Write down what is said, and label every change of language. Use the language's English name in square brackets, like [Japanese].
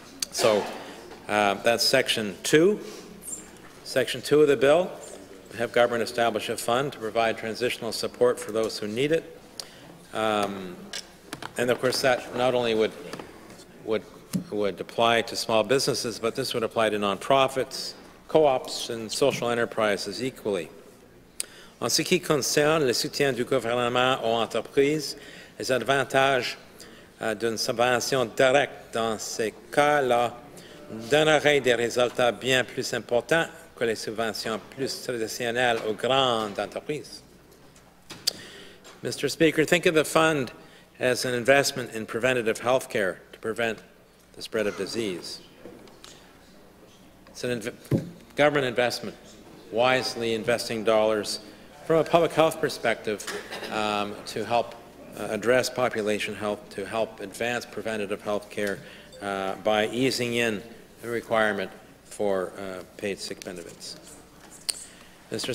[English] So that's Section 2. Section 2 of the bill, have government establish a fund to provide transitional support for those who need it. And of course, that not only would apply to small businesses, but this would apply to nonprofits, co-ops, and social enterprises equally. [French] En ce qui concerne le soutien du gouvernement aux entreprises, les avantages d'une subvention directe dans ces cas-là donneraient des résultats bien plus importants que les subventions plus traditionnelles aux grandes entreprises. [English] Mr. Speaker, think of the fund as an investment in preventative health care to prevent the spread of disease. It's an government investment, wisely investing dollars from a public health perspective to help address population health, to help advance preventative health care by easing in the requirement for paid sick benefits. Mr.